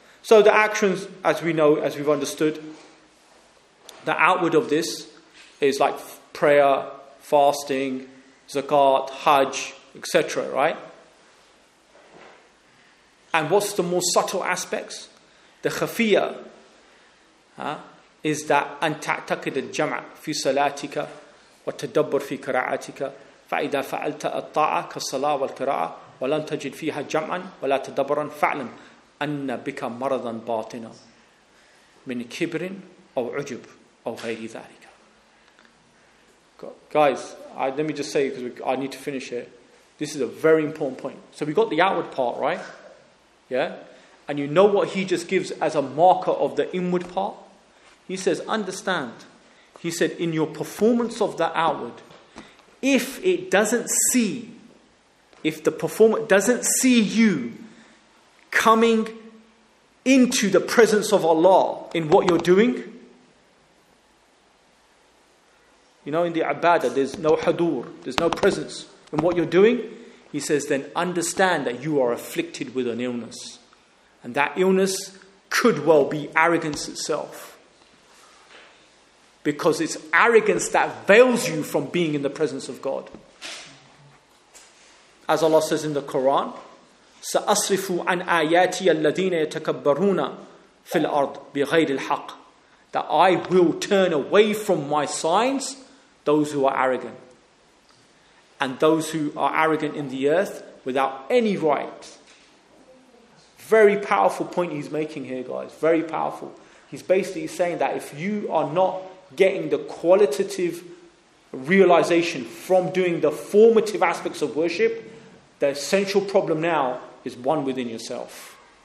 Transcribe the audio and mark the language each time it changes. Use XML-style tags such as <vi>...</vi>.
<en>So the actions, as we know, as we've understood, the outward of this is like prayer, fasting, zakat, hajj, etc. Right? And what's the more subtle aspects? The khafiyah. Is that</en> <ar>أنتعتقد الجمع في صلاتك وتدبر في قراءتك فإذا فعلت الطاعة كالصلاة والقراءة ولن تجد فيها جمعا ولا تدبرا فعلم أن بك مرضا باطنا من كبر أو عجب أو غير ذلك.</ar> <en>Guys, let me just say, because I need to finish it. This is a very important point. So we got the outward part, right? Yeah? And you know what he just gives as a marker of the inward part? He says, understand. He said, in your performance of the outward, if the performer doesn't see you coming into the presence of Allah in what you're doing, you know, in the ibadah, there's no hadur, there's no presence in what you're doing. He says, then understand that you are afflicted with an illness. And that illness could well be arrogance itself. Because it's arrogance that veils you from being in the presence of God.</en> <ar>As Allah says in the Quran, سَأَصْرِفُ عَنْ آيَاتِيَ الَّذِينَ يَتَكَبَّرُونَ فِي الْأَرْضِ بِغَيْرِ الْحَقِّ.</ar> <en>That I will turn away from my signs those who are arrogant. And those who are arrogant in the earth without any right. Very powerful point he's making here, guys. Very powerful. He's basically saying that if you are not getting the qualitative realization from doing the formative aspects of worship, the essential problem now is one within yourself.</en>